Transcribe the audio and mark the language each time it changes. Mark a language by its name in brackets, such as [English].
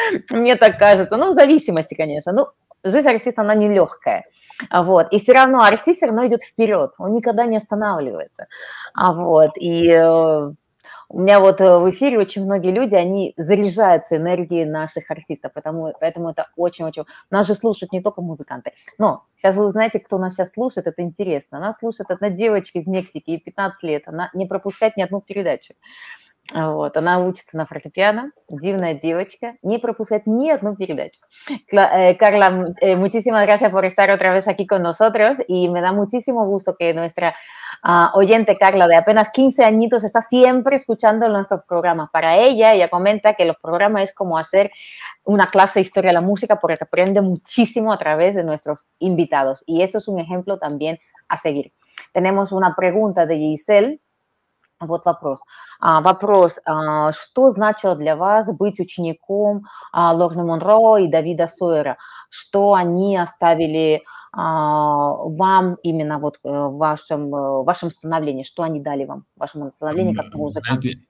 [Russian] мне так кажется, ну, в зависимости, конечно, ну, жизнь артиста, она нелегкая, вот, и все равно артист все равно идет вперед, он никогда не останавливается, а вот, и у меня вот в эфире очень многие люди, они заряжаются энергией наших артистов, поэтому это очень-очень... Нас же слушают не только музыканты. Но сейчас вы узнаете, кто нас сейчас слушает, это интересно. Нас слушает одна девочка из Мексики, ей 15 лет, она не пропускает ни одну передачу. Вот, она учится на фортепиано, дивная девочка, не пропускает ни одну передачу. [Spanish] Карла, muchísimas gracias por estar otra vez aquí con nosotros y me da muchísimo gusto que nuestra oyente Carla de apenas 15 añitos está siempre escuchando nuestros programas. Para ella, ella comenta que los programas es como hacer una clase de historia de la música porque aprende muchísimo a través de nuestros invitados y eso es un ejemplo también a seguir. Tenemos una pregunta de Giselle. [Russian] Вот вопрос. Вопрос. Что значило для вас быть учеником Лорны Монро и Давида Сойера? Что они оставили вам именно вот в вашем становлении? Что они дали вам в вашем становлении как музыкант?